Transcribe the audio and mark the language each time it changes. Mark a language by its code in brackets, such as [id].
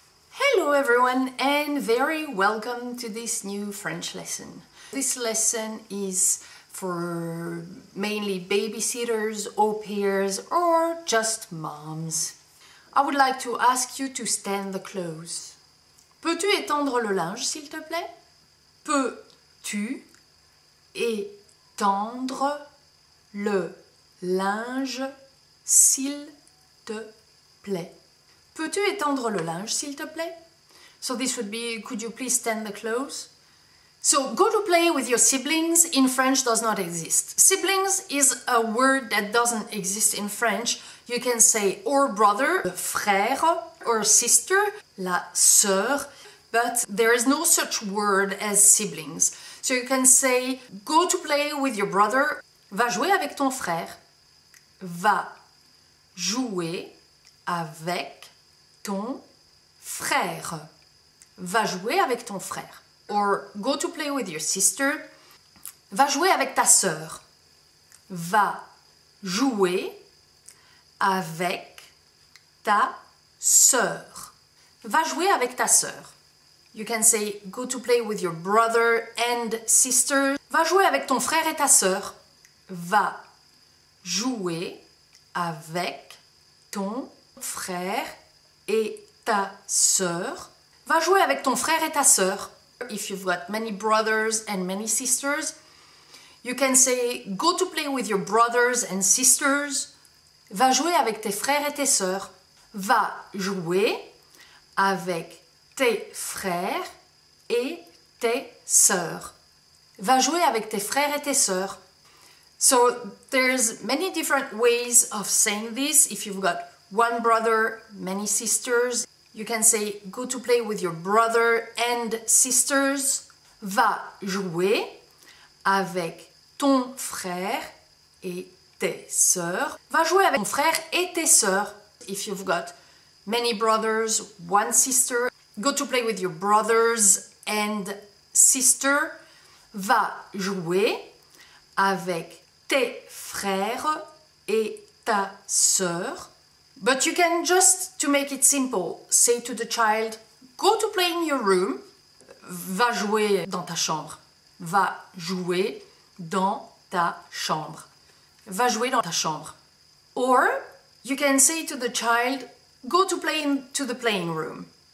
[en] Hello everyone and very welcome to this new French lesson. This lesson is for mainly babysitters, au pairs or just moms. I would like to ask you to stand the clothes. [fr] Peux-tu étendre le linge, s'il te plaît? Peux-tu étendre le linge, s'il te plaît? Peux-tu étendre le linge, s'il te plaît? [en] So this would be, could you please stand the clothes? So go to play with your siblings in French does not exist. Siblings is a word that doesn't exist in French. You can say or brother, frère, or sister, la sœur, but there is no such word as siblings. So you can say go to play with your brother. [fr] Va jouer avec ton frère. Va jouer avec ton frère. Va jouer avec ton frère. [en] Or go to play with your sister. [fr] Va jouer avec ta sœur. Va jouer avec ta sœur. Va jouer avec ta sœur. [en] You can say go to play with your brother and sister. [fr] Va jouer avec ton frère et ta sœur. Va jouer avec ton frère et ta sœur. Va jouer avec ton frère et ta sœur. [en] If you've got many brothers and many sisters, you can say go to play with your brothers and sisters. [fr] Va jouer avec tes frères et tes sœurs. Va jouer avec tes frères et tes sœurs. Va jouer avec tes frères et tes sœurs. [en] So there's many different ways of saying this. If you've got one brother, many sisters, you can say go to play with your brother and sisters. [fr] Va jouer avec ton frère et tes sœurs. Va jouer avec ton frère et tes sœurs. [en] If you've got many brothers, one sister, go to play with your brothers and sister. [fr] Va jouer avec tes frères et ta sœur. [en] But you can just, to make it simple, say to the child, go to play in your room. [fr] Va jouer dans ta chambre. Va jouer dans ta chambre. Va jouer dans ta chambre. [en] Or, you can say to the child, go to play into the playing room.